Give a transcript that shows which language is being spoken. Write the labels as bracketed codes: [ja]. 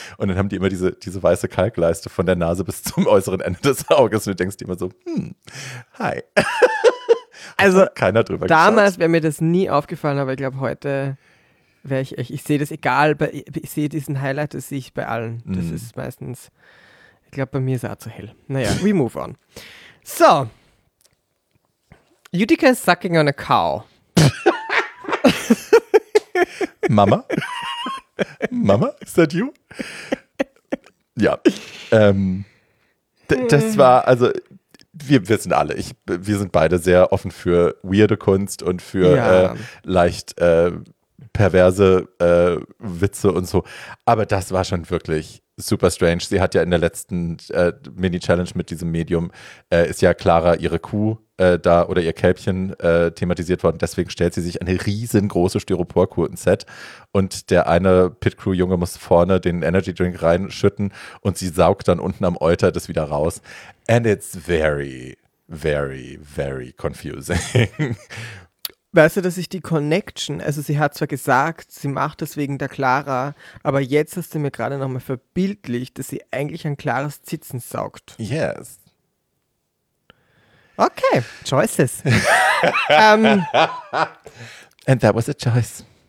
[de] Und dann haben die immer diese weiße Kalkleiste von der Nase bis zum äußeren Ende des Auges. Und du denkst dir immer so, hi. Also, keiner drüber damals wäre mir das nie aufgefallen, aber ich glaube, heute wäre ich echt, ich sehe das egal, ich sehe diesen Highlight, das sehe ich bei allen. Das ist meistens, ich glaube, bei mir ist er auch zu hell. [en] Naja, we move on. So, Utica is sucking on a cow. Mama? Mama, is that you? [de] Ja, das war, also... Wir sind alle, wir sind beide sehr offen für weirde Kunst und für leicht perverse Witze und so. Aber das war schon wirklich super strange. Sie hat ja in der letzten Mini-Challenge mit diesem Medium, ist ja Clara ihre Kuh da oder ihr Kälbchen thematisiert worden. Deswegen stellt sie sich eine riesengroße Styropor-Kuh ins Set. Und der eine Pit-Crew-Junge muss vorne den Energy-Drink reinschütten und sie saugt dann unten am Euter das wieder raus. [en] And it's very, very, very confusing. [de] Weißt du, dass ich die Connection, also sie hat zwar gesagt, sie macht es wegen der Clara, aber jetzt hast du mir gerade nochmal verbildlicht, dass sie eigentlich an Claras Zitzen saugt. [en] Yes. Okay, choices. And that was a choice.